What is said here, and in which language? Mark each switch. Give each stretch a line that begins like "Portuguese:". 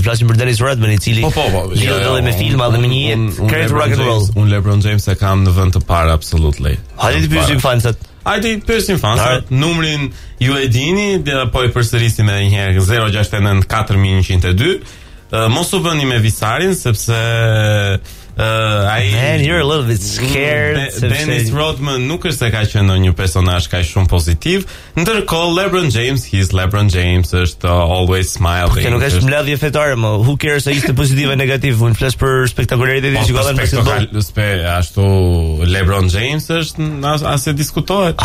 Albanian: Flasim për Dennis Rodman, i cili lidhet edhe me filma dhe me një jetë kreet rock and roll. Unë LeBron James e kam në vend të parë absolutely. Hajde të pyesim fansat. Numrin ju e dini, po e përsërisim edhe një herë 069-4102. Mos u bëni me Visarin sepse
English: Man, you're a little bit scared.
Albanian: Dennis Rodman nuk është se ka qenë një personazh kaq shumë pozitiv. Ndërkohë LeBron James,
English: he's LeBron James,
Albanian: është
English: always smiling.
Albanian: Po, nuk është mbledhje fetare, më.
English: Who cares
Albanian: a ishte pozitiv e negativ? Unë flas për spektakularitetin që ka dhënë basketbolli. Ashtu LeBron James është as e diskutohet.